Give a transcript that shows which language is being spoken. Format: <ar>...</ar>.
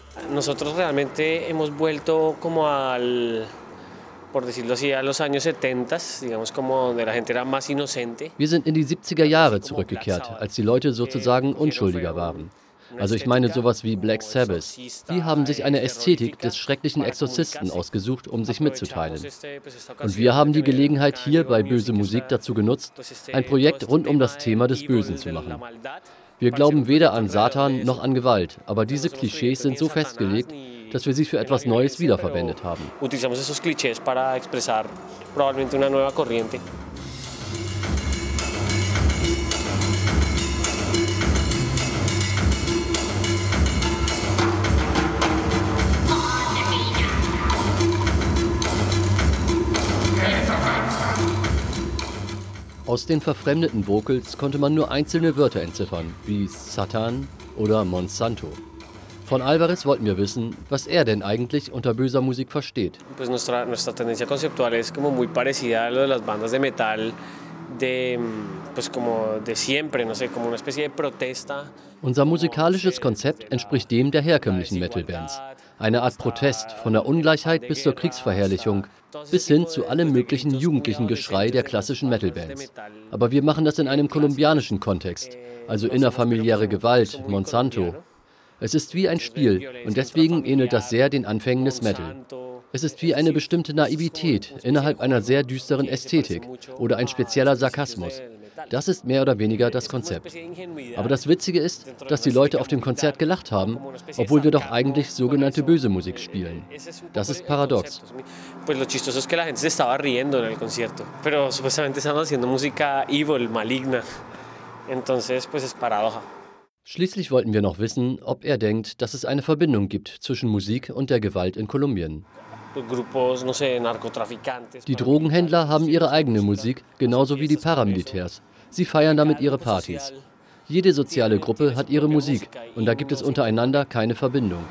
<es>Nosotros realmente hemos vuelto como al, por decirlo así, a los años 70, digamos como donde la gente era más inocente.</es> <de>Wir sind in die 70er Jahre zurückgekehrt, als die Leute sozusagen unschuldiger waren. Also ich meine sowas wie Black Sabbath. Die haben sich eine Ästhetik des schrecklichen Exorzisten ausgesucht, um sich mitzuteilen. Und wir haben die Gelegenheit hier bei Böse Musik dazu genutzt, ein Projekt rund um das Thema des Bösen zu machen. Wir glauben weder an Satan noch an Gewalt, aber diese Klischees sind so festgelegt, dass wir sie für etwas Neues wiederverwendet haben. Musik Aus den verfremdeten Vocals konnte man nur einzelne Wörter entziffern, wie Satan oder Monsanto. Von Alvarez wollten wir wissen, was er denn eigentlich unter böser Musik versteht.</de> <es>Pues nuestra tendencia conceptual es como muy parecida a lo de las bandas de metal de pues como de siempre, no sé, como una especie de protesta.</es> <de>Unser musikalisches Konzept entspricht dem der herkömmlichen Metalbands. Eine Art Protest von der Ungleichheit bis zur Kriegsverherrlichung bis hin zu allem möglichen jugendlichen Geschrei der klassischen Metalbands. Aber wir machen das in einem kolumbianischen Kontext, also innerfamiliäre Gewalt, Monsanto. Es ist wie ein Spiel und deswegen ähnelt das sehr den Anfängen des Metal. Es ist wie eine bestimmte Naivität innerhalb einer sehr düsteren Ästhetik oder ein spezieller Sarkasmus. Das ist mehr oder weniger das Konzept. Aber das Witzige ist, dass die Leute auf dem Konzert gelacht haben, obwohl wir doch eigentlich sogenannte böse Musik spielen. Das ist paradox.</de> <es>Pues lo chistoso es que la gente se estaba riendo en el concierto, pero supuestamente estaban haciendo música evil, maligna. Entonces, pues es paradoja.</es> <de>Schließlich wollten wir noch wissen, ob er denkt, dass es eine Verbindung gibt zwischen Musik und der Gewalt in Kolumbien. Die Drogenhändler haben ihre eigene Musik, genauso wie die Paramilitärs. Sie feiern damit ihre Partys. Jede soziale Gruppe hat ihre Musik und da gibt es untereinander keine Verbindung.</de>